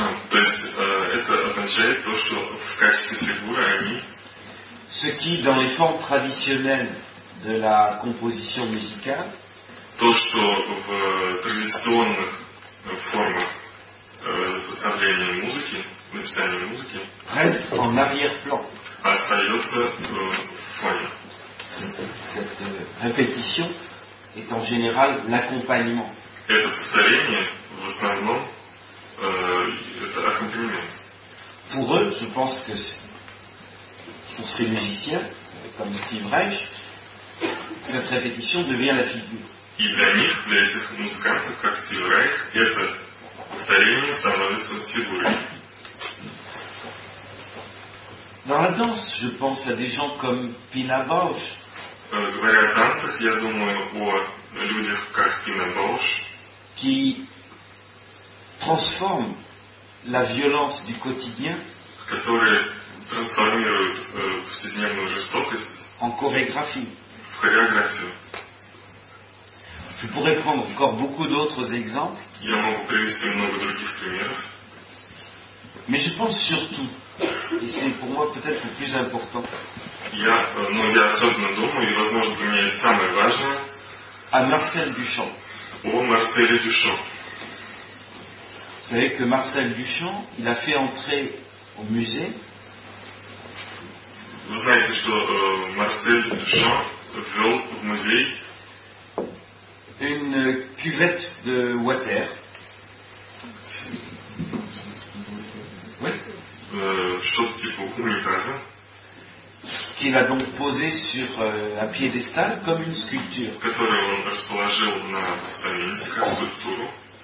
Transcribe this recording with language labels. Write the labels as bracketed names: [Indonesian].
[Russian] То есть это означает то, что в качестве фигуры они. [French] Ce qui dans les formes traditionnelles de la composition musicale. [Russian] То, что в традиционных формах составления музыки, написания музыки. [French] Reste en arrière-plan. [Russian] Остается в фоне. [French] Cette répétition est en général l'accompagnement. [Russian] Это повторение в основном. Это аккомпанемент. [French] Pour eux, je pense que pour ces musiciens, comme Steve Reich, cette répétition devient la figure. [Russian] И для них, для этих музыкантов, как Steve Reich, это повторение становится фигурой. [French] Dans la danse, je pense à des gens comme Pina Bausch. [Russian] Говоря о танцах, я думаю о людях, как Пина Бауш. [French] Qui transforme la violence du quotidien [Russian] которые трансформируют повседневную жестокость [French] en chorégraphie. [Russian] В хореографию. [French] Je pourrais prendre encore beaucoup d'autres exemples. [Russian] Я могу привести много других примеров. [French] Mais je pense surtout, et c'est pour moi peut-être le plus important, [Russian] я особенно думаю, и возможно для меня это самое важное, [French] à Marcel Duchamp. [Russian] О Марселе Дюшан. [French] Vous savez que Marcel Duchamp, il a fait entrer au musée. Vous savez que Marcel Duchamp a fait au musée une cuvette de water. Oui. [Russian] что-то типа унитаза. [French] Qu'il a donc posé sur un piédestal comme une sculpture. [Russian] Который он расположил на постаменте как скульптуру.